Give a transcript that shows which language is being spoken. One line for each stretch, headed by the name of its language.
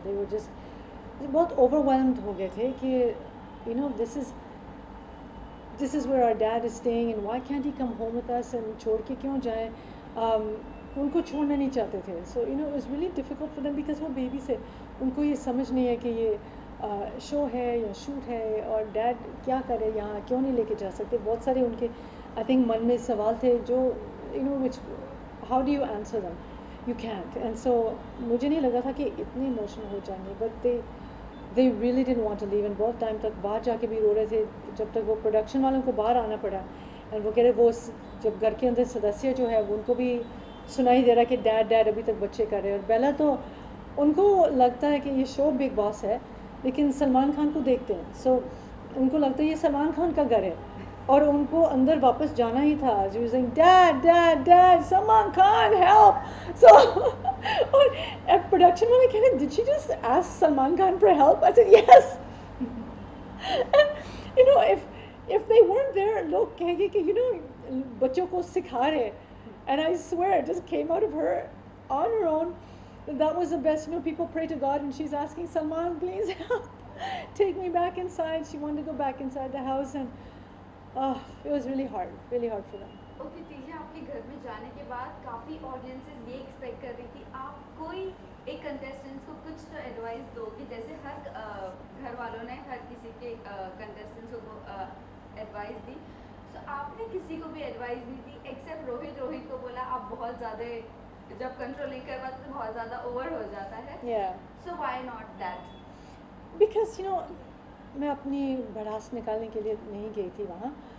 English: They were just
Hindi: bahut
English: overwhelmed
Hindi: ho gaye the ki
English: you know this is where our dad is staying and why can't he come home with us and
Hindi: chhod ke kyon jaye. उनको छोड़ना नहीं चाहते थे.
English: so you know it was really difficult for them because
Hindi: वो baby से उनको ये समझ नहीं है कि ये शो है या शूट है और डैड क्या करे यहाँ, क्यों नहीं लेके जा सकते. बहुत सारे उनके आई थिंक मन में सवाल थे जो
English: You know which how do you answer them, you can't.
Hindi: एंड सो मुझे नहीं लगा था कि इतने इमोशनल हो जाएंगे,
English: But they really didn't want to leave.
Hindi: And बहुत टाइम तक बाहर जाके भी रो रहे थे, जब तक वो प्रोडक्शन वालों को बाहर आना पड़ा. एंड वो कह रहे वो जब घर के अंदर सदस्य जो है उनको भी सुनाई दे रहा कि डैड डैड अभी तक बच्चे कर रहे हैं. और बेला तो उनको लगता है कि ये शो बिग बॉस है, लेकिन सलमान खान को देखते हैं सो उनको लगता है ये सलमान खान का घर है और उनको अंदर वापस जाना ही था. जो dad dad dad Salman Khan help. सो और प्रोडक्शन वाले कह रहे
English: Did she just ask Salman Khan for help. I said yes. You know if they want their
Hindi: लोग कहेंगे कि यू नो बच्चों को सिखा रहे.
English: And I swear, it just came out of her, on her own. That was the best. You know, people pray to God, and she's asking Salman, please help, take me back inside. She wanted to go back inside the house, and it was really hard for them. Okay, Tija, after going to your house, many audiences were expecting that you would give a contestant some advice. Like every family member has given advice to contestants.
Hindi: तो आपने किसी को भी advice दी थी accept Rohit? Rohit को बोला आप बहुत ज़्यादा जब कंट्रोल नहीं कर पाते तो बहुत ज़्यादा ओवर हो जाता है. या
English: So why not that? Because you know
Hindi: मैं अपनी भड़ास निकालने के लिए नहीं गई थी वहाँ.